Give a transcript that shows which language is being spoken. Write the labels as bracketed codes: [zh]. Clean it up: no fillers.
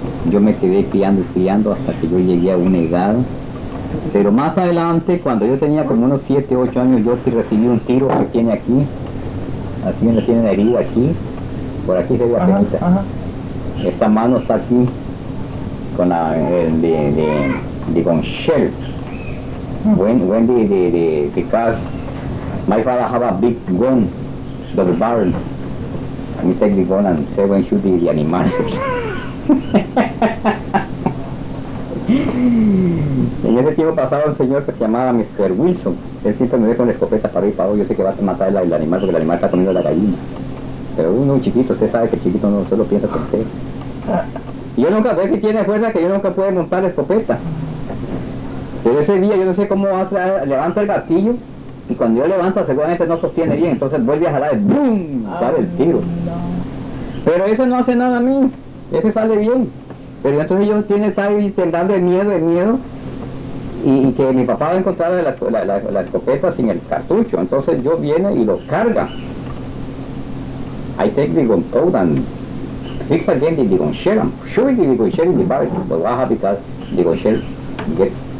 [es] Yo me quedé criando hasta que yo llegué a una edad. Pero más adelante, cuando yo tenía como unos 7, 8 años, yo sí recibí un tiro que tiene aquí. Aquí me tiene una herida aquí. Por aquí se ve la penita. Esta mano está aquí con la de con Shell. [en] When the car, my father have a big gun, double barrel. Me take the gun and say when shoot the animal. [es] En ese tiempo pasaba un señor que se llamaba Mr. Wilson. Él siempre me deja una escopeta para ir para hoy. Yo sé que va a matar el animal porque el animal está comiendo la gallina. Pero uno chiquito, usted sabe que el chiquito no solo piensa con usted. Yo nunca, ve si tiene fuerza que yo nunca puedo montar la escopeta. Pero ese día yo no sé cómo hace, levanta el gatillo. Y cuando yo levanto, seguramente no sostiene bien, entonces vuelve a jalar, ¡boom!, sale el tiro. Pero ese no hace nada a mí, ese sale bien. Pero entonces yo estaba ahí temblando de miedo, y que mi papá va a encontrar la escopeta sin el cartucho. Entonces yo viene y lo carga. [en] I take the gun out and fix again the gun shell. I'm sure the gun shell in the barrel, but what happens that the gun shell get...